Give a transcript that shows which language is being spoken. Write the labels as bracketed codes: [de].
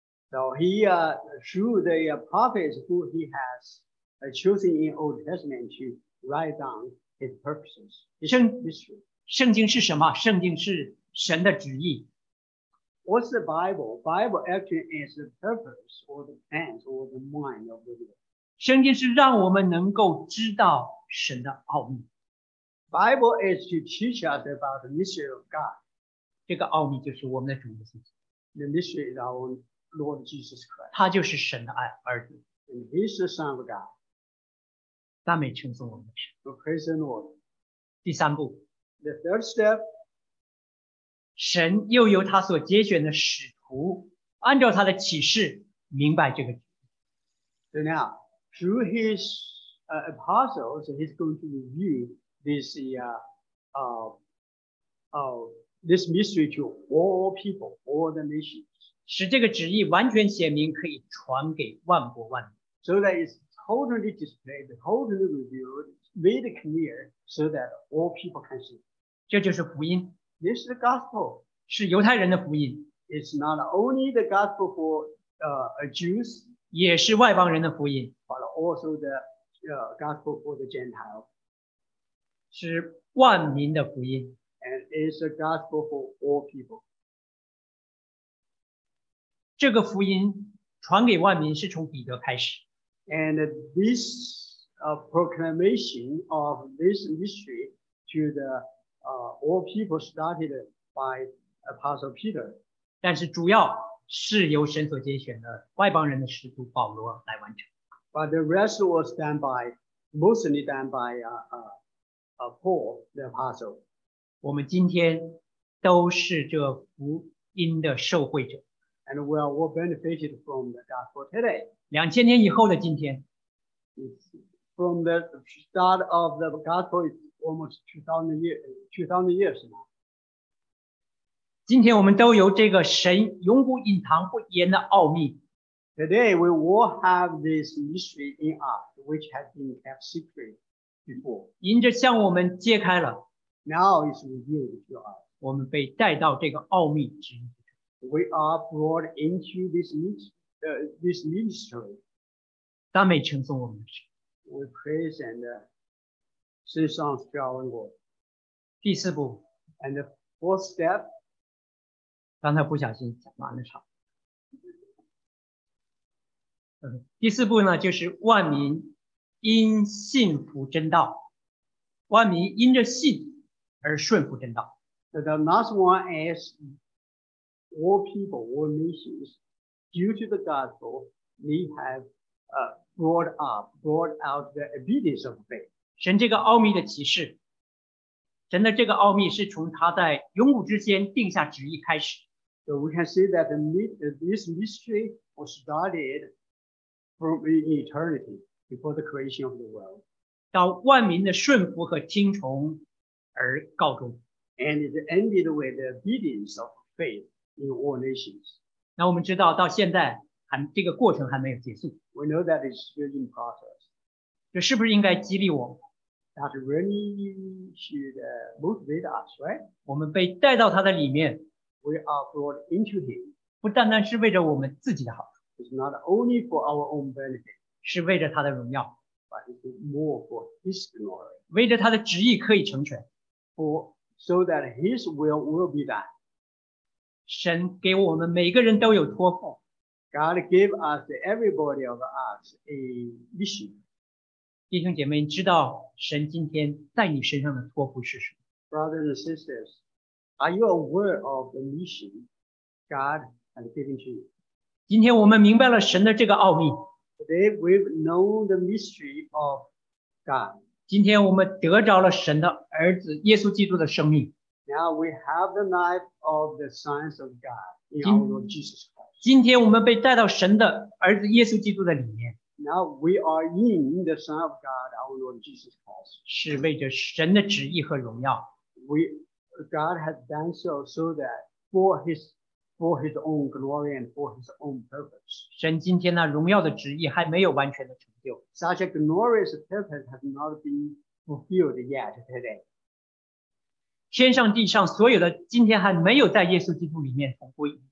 [en] So he, through the prophets who he has chosen in Old Testament to write down his purposes. His [zh] 圣经是什么？圣经是神的旨意。 [en] What's the Bible? Bible actually is the purpose or the plan or the mind of the Lord. [zh] 圣经是让我们能够知道神的奥秘。 [en] Bible is to teach us about the mystery of God. [zh] 这个奥秘就是我们的主耶稣基督。 [en] The mystery is our Lord Jesus Christ. [zh] 他就是神的儿子。 [en] And he's the Son of God. [zh] 赞美称颂我们的神。 [en] Praise the Lord. [zh] 第三步。 [en] The third step. [zh] 神又由他所节选的使徒按照他的启示明白这个。 [en] So now, through his apostles, he's going to review this, this mystery to all people, all the nations. [zh] 使这个旨意完全显明可以传给万国万民。 [en] So that is,totally displayed, totally revealed, made clear so that all people can see. [zh] 这就是福音。 [en] This is the gospel. [zh] 是犹太人的福音。 [en] It's not only the gospel for Jews. [zh] 也是外邦人的福音。 [en] But also the gospel for the Gentile. [zh] 是万民的福音。 [en] And it's a gospel for all people. [zh] 这个福音传给万民是从彼得开始。 [en] And this proclamation of this mystery to the all people started by Apostle Peter. [zh] 但是主要是由神所拣选的外邦人的使徒保罗来完成。 [en] But the rest was done by, mostly done by Paul, the Apostle. [zh] 我们今天都是这福音的受惠者。 [en] And we are all benefited from the gospel today. [zh] 两千年以后的今天。 [en] From the start of the gospel, it's almost 2,000 years now. [zh] 今天我们都由这个神永古隐藏不言的奥秘。 [en] Today, we all have this mystery in us, which has been kept secret before. [zh] 迎着向我们揭开了。 [en] Now it's revealed to us. [zh] 我们被带到这个奥秘之一。 [en] We are brought into this ministry. [zh] 赞美称颂我们的神。 [en] We praise and sing songs to our Lord. [zh] 第四步。 [en] And the fourth step. [zh] 刚才不小心讲完了场。第四步呢，就是万民因信服真道，万民因着信而顺服真道。 [en] So the last one is.All people, all nations, due to the gospel, we have brought out the obedience of faith. [zh] 神这个奥秘的启示, 神的这个奥秘是从他在永古之间定下旨意开始。 [en] So we can see that this mystery was started from eternity before the creation of the world. [zh] 到万民的顺服和听从而告终。 [en] And it ended with the obedience of faith in all nations. [zh] 那我们知道到现在, 这个过程还没有结束。 [en] We know that it's still in process. [zh] 这是不是应该激励我? [en] That really should motivate us, right? [zh] 我们被带到他的里面。 [en] We are brought into him. [zh] 不单单是为着我们自己的好处。 [en] It's not only for our own benefit. [zh] 是为着他的荣耀。 [en] But it's more for his glory. [zh] 为着他的旨意可以成全。 [en] So that his will be done. [zh] 神给我们每个人都有托付。 [en] God gave us, everybody of us, a mission. [zh] 弟兄姐妹,知道神今天在你身上的托付是什么? [en] Brothers and sisters, are you aware of the mission God has given to you? [zh] 今天我们明白了神的这个奥秘。 [en] Today we've known the mystery of God. [zh] 今天我们得着了神的儿子耶稣基督的生命。 [en] Now we have the life of the sons of God in our Lord Jesus Christ. [zh] 今天我们被带到神的儿子耶稣基督的里面。 [en] Now we are in the Son of God, our Lord Jesus Christ. [zh] 是为着神的旨意和荣耀。 [en] God has done so so that for his own glory and for his own purpose. [zh] 神今天那荣耀的旨意还没有完全的成就。 [en] Such a glorious purpose has not been fulfilled yet today. [zh] 天上地上所有的今天还没有在耶稣基督里面同归。